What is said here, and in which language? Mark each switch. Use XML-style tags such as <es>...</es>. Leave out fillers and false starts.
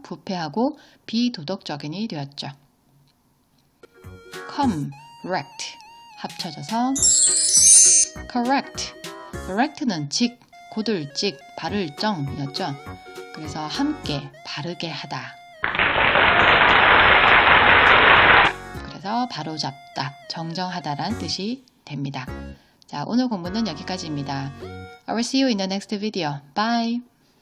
<ko>부패하고 비도덕적인이 되었죠. come rect 합쳐져서 correct. rect는 직, 고들직, 발을정이었죠. 그래서 함께 바르게 하다. 그래서 바로잡다, 정정하다란 뜻이 됩니다. 자, 오늘 공부는 여기까지입니다.</ko> <en>I will see you in the next video. Bye!</en>